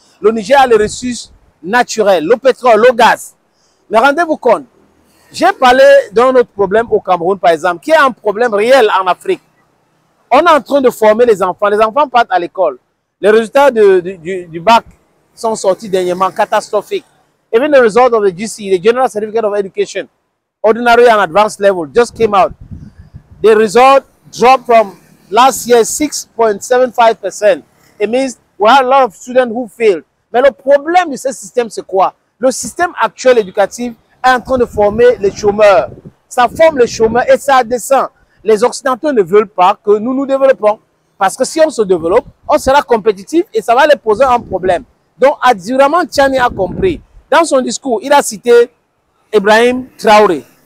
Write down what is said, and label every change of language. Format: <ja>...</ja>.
<fr>Le Niger a les ressources naturelles, le pétrole, le gaz. Mais rendez-vous compte, j'ai parlé d'un autre problème au Cameroun, par exemple, qui est un problème réel en Afrique. On est en train de former les enfants partent à l'école. Les résultats du bac sont sortis dernièrement catastrophiques.</fr> <en>Even the result of the GCE, the General Certificate of Education, ordinary and advanced level, just came out. The result dropped from last year 6.75%. It means we have a lot of students who failed.</en> <fr>Mais le problème de ce système, c'est quoi? Le système actuel éducatif est en train de former les chômeurs. Ça forme les chômeurs et ça descend. Les Occidentaux ne veulent pas que nous nous développons. Parce que si on se développe, on sera compétitif et ça va les poser un problème. Donc, Abdourahmane Tchiani a compris. Dans son discours, il a cité Ibrahim Traoré.</fr>